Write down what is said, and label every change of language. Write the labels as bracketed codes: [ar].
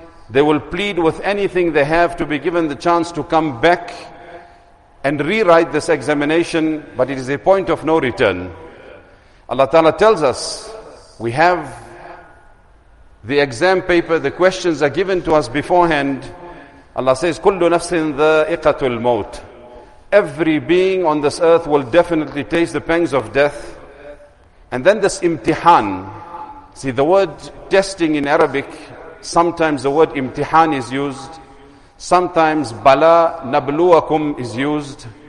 [en] They will plead with anything they have to be given the chance to come back and rewrite this examination, but it is a point of no return. Allah Ta'ala tells us, we have the exam paper, the questions are given to us beforehand. Allah says, [ar] كُلُّ نَفْسٍ ذَائِقَةُ الْمَوْتِ. [en] Every being on this earth will definitely taste the pangs of death. And then this imtihan. See, the word testing in Arabic, sometimes the word imtihan is used. Sometimes [ar] bala nabluwakum [en] is used.